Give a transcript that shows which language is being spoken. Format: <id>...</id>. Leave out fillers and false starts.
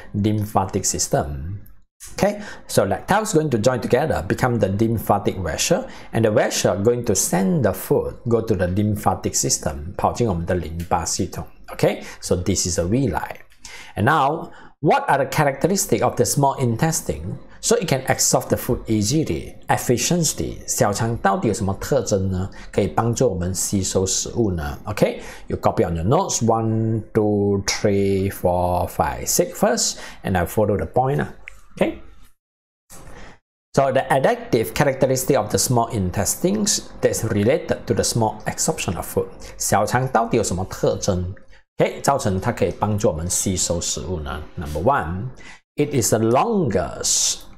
<en>Lymphatic system. Okay, so lactels going to join together, become the lymphatic vessel, and the vessel going to send the food go to the lymphatic system,</en> <zh>跑进我们的淋巴系统.</zh> <en>Okay, so this is a villi. And now, what are the characteristics of the small intestine? So it can absorb the food easily, efficiently.</en> <zh>小肠到底有什么特征呢?可以帮助我们吸收食物呢?</zh> <en>Okay, you copy on your notes, 1, 2, 3, 4, 5, 6 first, and I follow the point. Okay, so the adaptive characteristic of the small intestines that is related to the small absorption of food.</en> <zh>小肠到底有什么特征?Okay, 造成它可以帮助我们吸收食物呢?</zh> <en>Number one, it is the longest,</en>